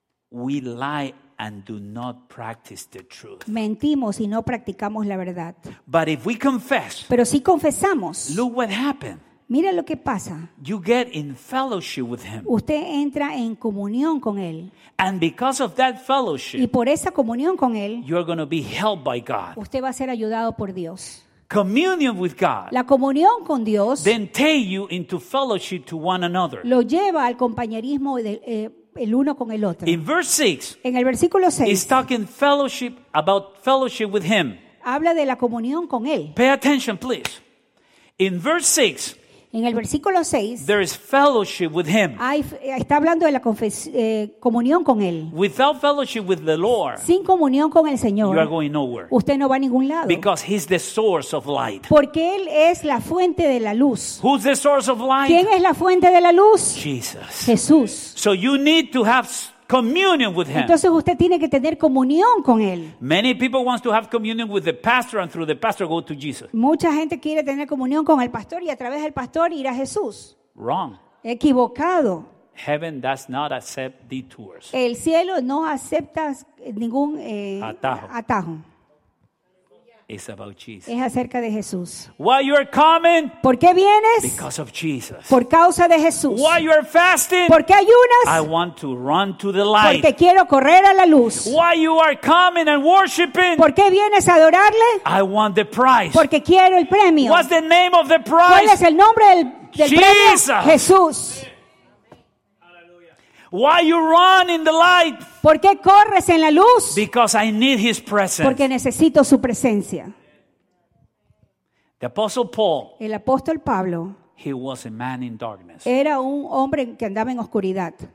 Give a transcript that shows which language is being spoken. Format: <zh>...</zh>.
<en>we lie and do not practice the truth.</en> <es>Mentimos y no practicamos la verdad.</es> <en>But if we confess,</en> <es>pero si confesamos,</es> <en>look what happened.</en> <es>Mira lo que pasa.</es> <en>You get in fellowship with him.</en> <es>Usted entra en comunión con él.</es> <en>And because of that fellowship,</en> <es>y por esa comunión con él,</es> <en>you are going to be helped by God.</en> <es>Usted va a ser ayudado por Dios.</es> <en>Communion with God.</en> <es>La comunión con Dios.</es> <en>Then take you into fellowship to one another.</en> <es>Lo lleva al compañerismo de el uno con el otro.</es> <en>In verse 6.</en> <es>En el versículo 6.</es> <en>He's talking fellowship about fellowship with him.</en> <es>Habla de la comunión con él.</es> <en>Pay attention, please. In verse 6.</en> <es>En el versículo 6.</es> <en>There is fellowship with him.</en> <es>Está hablando de la comunión con él.</es> <en>Without fellowship with the Lord.</en> <es>Sin comunión con el Señor.</es> <en>You are going nowhere.</en> <es>Usted no va a ningún lado.</es> <en>Because he's the source of light.</en> <es>Porque él es la fuente de la luz.</es> <en>Who's the source of light?</en> <es>¿Quién es la fuente de la luz?</es> <en>Jesus.</en> <es>Jesús.</es> <en>So you need to have communion with him.</en> <es>Entonces usted tiene que tener comunión con él.</es> <en>Many people wants to have communion with the pastor and through the pastor go to Jesus.</en> <es>Mucha gente quiere tener comunión con el pastor y a través del pastor ir a Jesús.</es> <en>Wrong.</en> <es>Equivocado.</es> <en>Heaven does not accept detours.</en> <es>El cielo no acepta ningún atajo.</es> <en>It's about Jesus.</en> <es>Es acerca de Jesús.</es> <en>Why you are coming?</en> <es>¿Por qué vienes?</es> <en>Because of Jesus.</en> <es>Por causa de Jesús.</es> <en>Why you are fasting?</en> <es>¿Por qué ayunas?</es> <en>I want to run to the light.</en> <es>Porque quiero correr a la luz.</es> <en>Why you are coming and worshiping?</en> <es>¿Por qué vienes a adorarle?</es> <en>I want the prize.</en> <es>Porque quiero el premio.</es> <en>What's the name of the prize?</en> <es>¿Cuál es el nombre del</es> <en>Jesus.</en> <es>Premio? Jesús.</es> <en>Why you run in the light?</en> <es>¿Por qué corres en la luz?</es> <en>Because I need his presence.</en> <es>Porque necesito su presencia.</es> <en>The apostle Paul.</en> <es>El apóstol Pablo.</es> <en>He was a man in darkness.</en> <es>Era un hombre que andaba en oscuridad.</es>